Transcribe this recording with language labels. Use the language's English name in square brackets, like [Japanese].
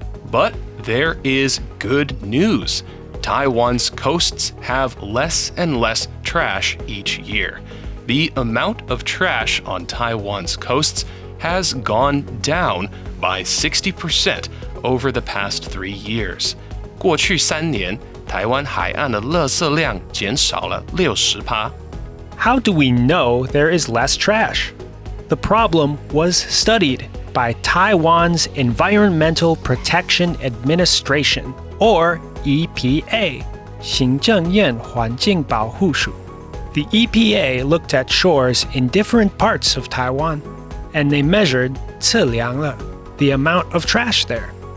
[English] But there is good news. Taiwan's coasts have less and less trash each year. The amount of trash on Taiwan's coasts has gone down by 60% over the past 3 years. [Chinese] 过去三年,台湾海岸的垃圾量减少了60%。 [English] How do we know there is less trash? The problem was studied by Taiwan's Environmental Protection Administration, or EPA, 行政院环境保护署。 The EPA looked at shores in different parts of Taiwan, and they measured [Chinese] 测量了 [English] the amount of trash there.